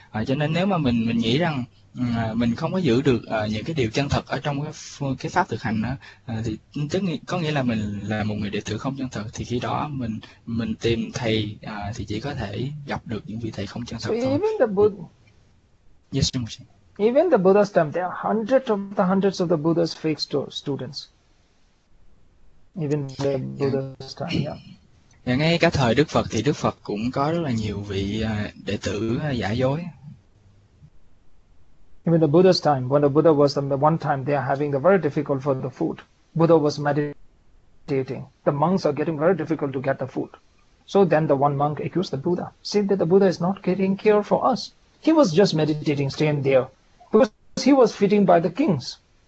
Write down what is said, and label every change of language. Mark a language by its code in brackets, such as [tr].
[vi] Cho nên nếu mà mình nghĩ rằng mình không có giữ được những cái điều chân thật ở trong cái pháp thực hành đó, thì có nghĩa là mình là một người đệ tử không chân thật, thì khi đó mình tìm thầy thì chỉ có thể gặp được những vị thầy không chân [en] So [vi] thật thôi. Yes, [en] even the Buddha stamp, there are hundreds of the hundreds of the Buddha's fake students. Even the Buddha stamp, yeah. [vi] ngay cả thời Đức Phật thì Đức Phật cũng có rất là nhiều vị đệ tử giả dối. [en] Even the Buddha's time, when the Buddha was on the one time, they are having the very difficult for the food. Buddha was meditating. The monks are getting very difficult to get the food. So then the one monk accused the Buddha, saying that the Buddha is not getting care for us. He was just meditating, staying there, because he was feeding by the kings.